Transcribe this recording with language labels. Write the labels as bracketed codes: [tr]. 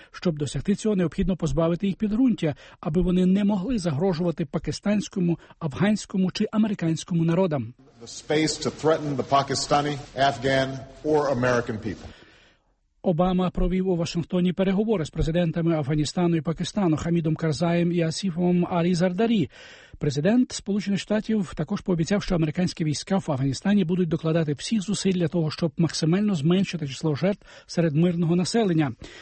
[uk] Щоб досягти цього, необхідно позбавити їх підґрунтя, аби вони не могли загрожувати пакистанському, афганському чи американському народам. [en] Space to threaten the Pakistani, Afghan or American people. [uk] Обама провів у Вашингтоні переговори з президентами Афганістану і Пакистану Хамідом Карзаєм і Асіфом Арізардарі. Президент Сполучених Штатів також пообіцяв, що американські війська в Афганістані будуть докладати всіх зусиль для того, щоб максимально зменшити число жертв серед мирного населення.